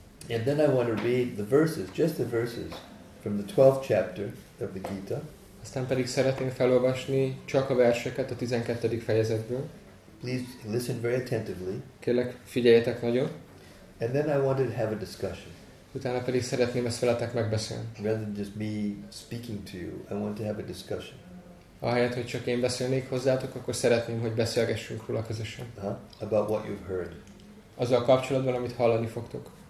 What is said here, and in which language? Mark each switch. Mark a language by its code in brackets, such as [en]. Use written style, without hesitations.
[en] And then I want to read the verses, just the verses, from the 12th chapter of the Gita. [hu] Aztán pedig szeretném felolvasni csak a verseket a 12. fejezetből. [en] Please listen very attentively. [hu] Kérlek, figyeljetek nagyon. [en] And then I wanted to have a discussion. [hu] Utána pedig szeretném ezt veletek megbeszélni. [en] Rather than just me speaking to you, I want to have a discussion. [hu] Ahelyett, hogy csak én beszélnék hozzátok, akkor szeretném, hogy beszélgessünk róla közösen. [en] About what you've heard. [hu] Azzal kapcsolatban, amit hallani fogtok.